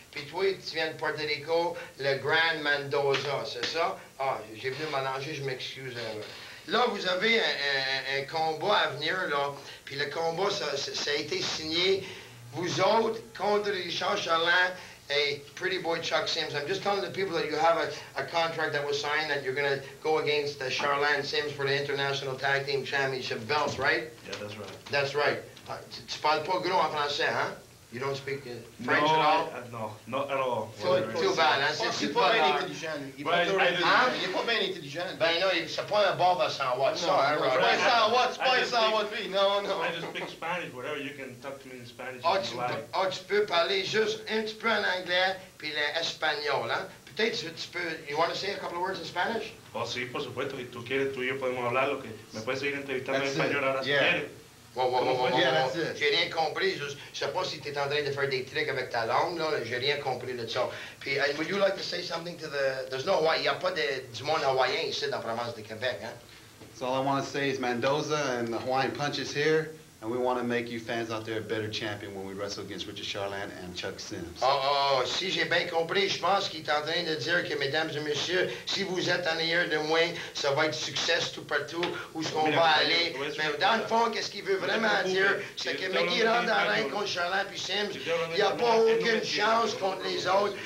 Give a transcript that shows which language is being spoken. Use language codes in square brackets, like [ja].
[fr] Puis toi, tu viens de Puerto Rico, le Grand Mendoza, c'est ça? Ah, oh, j'ai voulu m'allonger, je m'excuse. Là, vous avez un combat à venir, là. Puis le combat, ça a été signé, vous autres, contre Richard Chaland et Pretty Boy Chuck Sims. [en] I'm just telling the people that you have a contract that was signed that you're going to go against Charlene Sims for the International Tag Team Championship belt, right? Yeah, that's right. That's right. [fr] Tu parles pas gros en français, hein? [en] You don't speak French no, at all? No, not at all. Too bad. [fr] Hein? C'est pas bien intelligent. Il est pas bien intelligent. Ben, non, c'est pas un bob à 100 watts. [en] No, no, no. [fr] Pas 100 watts, pas 100 watts, oui. [en] No, no. I just speak Spanish, whatever. You can talk to me in Spanish. [fr] Oh, tu peux parler juste un petit peu en anglais, puis l'espagnol, hein? Peut-être tu peux... [en] You want to say a couple of words in Spanish? [es] Oh, sí, por supuesto. Si tú quieres, tú y yo podemos hablar lo que... Me puedes seguir entrevistando en español ahora, si quieres. [fr] Whoa. J'ai rien compris. Je sais pas si t'es en train de faire des tricks avec ta langue, là. J'ai rien compris de ça. [en] Puis, would you like to say something to the... There's no Hawaii. [fr] Il n'y a pas du monde hawaïen ici dans la province de Québec, hein? [en] So all I want to say is Mendoza and the Hawaiian Punch is here, and we want to make you fans out there a better champion when we wrestle against Richard Charland and Chuck Sims. [fr] Oh, si j'ai bien compris, je pense qu'il est en train de dire que, mesdames et messieurs, si vous êtes en arrière de moi, ça va être succès tout partout où ce qu'on va aller. Mais dans le fond, qu'est-ce qu'il veut vraiment dire, c'est que McGee rentre en ring contre Charland puis Sims, il n'y a pas aucune chance contre les autres.